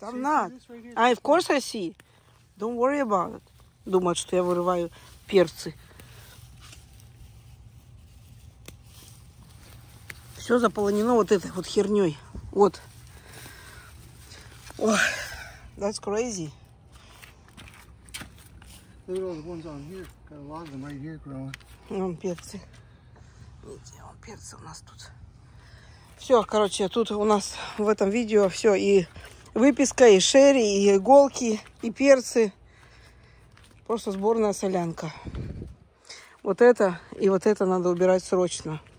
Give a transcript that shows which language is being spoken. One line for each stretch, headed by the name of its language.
English: See right I, of course I see. Don't worry about it.
Russian: Думать, что я вырываю перцы. Все заполнено вот этой вот херней.
English: Вот. Oh, that's crazy. Look at all the ones on here. Got a lot of them right here growing.
Russian: Вон перцы. Видите, вон перцы у нас тут. Все, короче, тут у нас в этом видео все. И выписка, и шерри, и иголки, и перцы. Просто сборная солянка. Вот это и вот это надо убирать срочно.